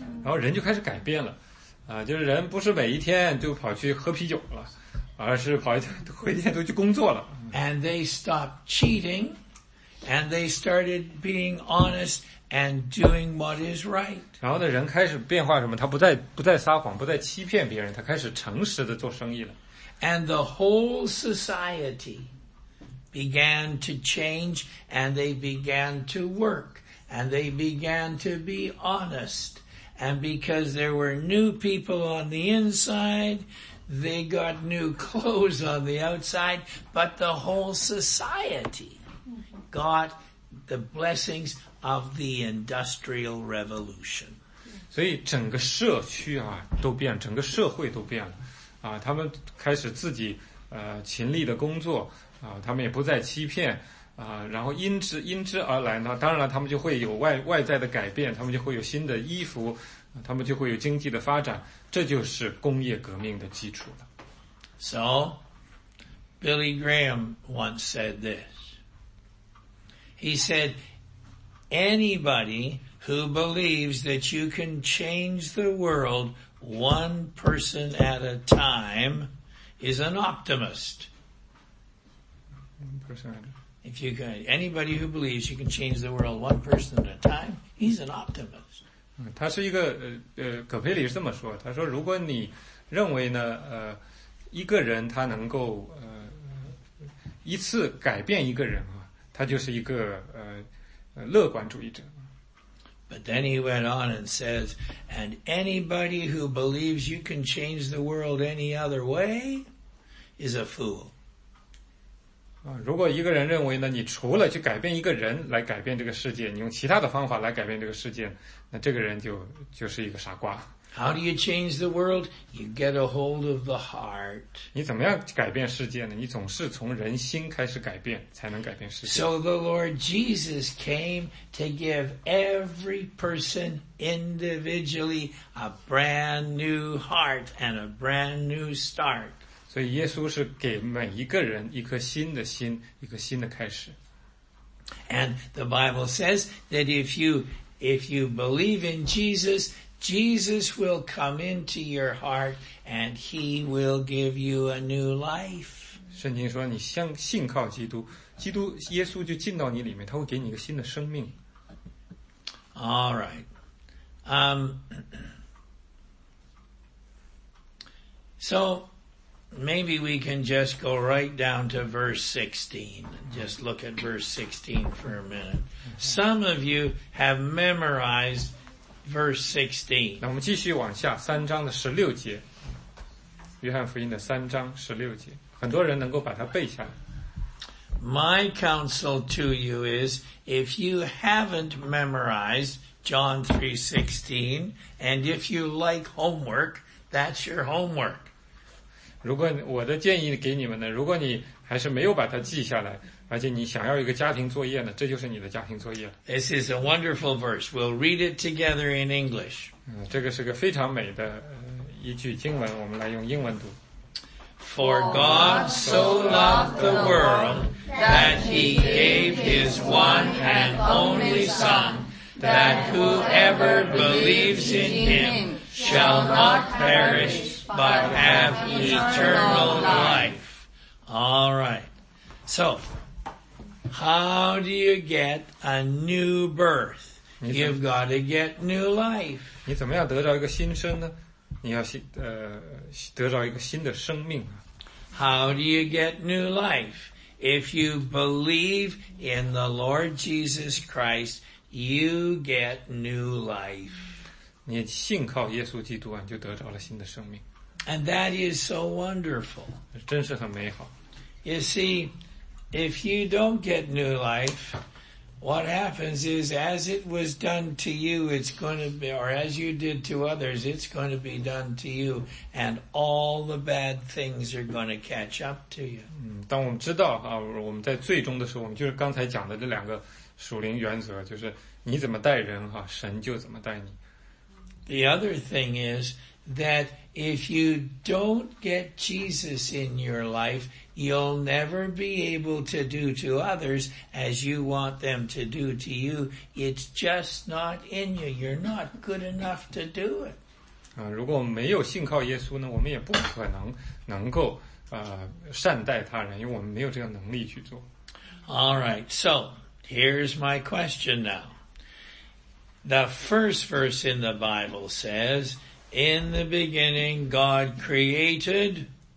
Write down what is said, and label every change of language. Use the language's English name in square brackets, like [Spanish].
[Chinese] 然后人就开始改变了。就是人不是每一天就跑去喝啤酒了，而是跑一天回家都去工作了。 [English] And they stopped cheating, and they started being honest, and doing what is right. [Chinese] 然后呢，人开始变化什么？他不再撒谎，不再欺骗别人，他开始诚实的做生意了。 [English] And the whole society began to change, and they began to work, and they began to be honest. And because there were new people on the inside, they got new clothes on the outside, but the whole society got the blessings of the Industrial Revolution. [Chinese] 所以整个社区啊都变，整个社会都变了。啊，他们开始自己勤力的工作，啊，他们也不再欺骗，啊，然后因之而来呢，当然了，他们就会有外在的改变，他们就会有新的衣服，他们就会有经济的发展，这就是工业革命的基础了。 [English] So, Billy Graham once said this. He said, anybody who believes that you can change the world one person at a time is an optimist. One person at a time. If you can, anybody who believes you can change the world one person at a time, he's an optimist. [Chinese] 他是一个葛培里是这么说，他说如果你认为呢一个人他能够一次改变一个人啊，他就是一个乐观主义者。 [English] But then he went on and says, and anybody who believes you can change the world any other way is a fool. [Chinese] 如果一个人认为呢，你除了去改变一个人来改变这个世界，你用其他的方法来改变这个世界，那这个人就是一个傻瓜。 [English] How do you change the world? You get a hold of the heart. [Chinese] 你怎么样改变世界呢？你总是从人心开始改变，才能改变世界。 [English] So the Lord Jesus came to give every person individually a brand new heart and a brand new start. [Chinese] 所以耶稣是给每一个人一颗新的心，一个新的开始。 [English] And the Bible says that if you believe in Jesus,Jesus will come into your heart and he will give you a new life. [Chinese] 圣经说你相信靠基督，基督耶稣就进到你里面，他会给你一个新的生命。 [English] All right. So maybe we can just go right down to verse 16. Just look at verse 16 for a minute. Some of you have memorized Verse 16. [Chinese] 那我们继续往下，三章的十六节，约翰福音的三章十六节，很多人能够把它背下来。 [English] My counsel to you is, if you haven't memorized John 3:16, and if you like homework, that's your homework. [Chinese] 如果我的建议给你们呢，如果你还是没有把它记下来。而且你想要一个家庭作业呢，这就是你的家庭作业。 [English] This is a wonderful verse. We'll read it together in English. [Chinese] 这个是个非常美的一句经文，我们来用英文读。 [English] For God so loved the world that he gave his one and only son, that whoever believes in him shall not perish, but have eternal life. All right. So,How do you get a new birth? You've got to get new life. [Chinese] 你怎么样得着一个新生呢？你要得着一个新的生命。 [English] How do you get new life? If you believe in the Lord Jesus Christ, you get new life. [Chinese] 你信靠耶稣基督啊，就得着了新的生命。 [English] And that is so wonderful. [Chinese] 真是很美好。 [English] You see,If you don't get new life, what happens is as it was done to you, it's going to be, or as you did to others, it's going to be done to you, and all the bad things are going to catch up to you. [Chinese] 当我们知道啊，我们在最终的时候，我们就是刚才讲的这两个属灵原则，就是你怎么待人啊，神就怎么待你。 [English] The other thing is that if you don't get Jesus in your life,You'll never be able to do to others as you want them to do to you. It's just not in you. You're not good enough to do it. [Chinese] 如果没有信靠耶稣呢，我们也不可能能够善待他人，因为我们没有这个能力去做。 [English] All right. So here's my question now. The first verse in the Bible says, in the beginning God created